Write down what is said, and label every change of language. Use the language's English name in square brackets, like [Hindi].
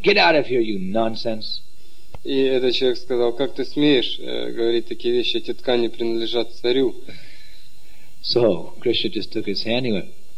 [English] Get out of here, you nonsense." [Russian] И этот человек сказал, как ты смеешь говорить такие вещи, эти ткани принадлежат царю. [English] So, Krishna just took his hand and went...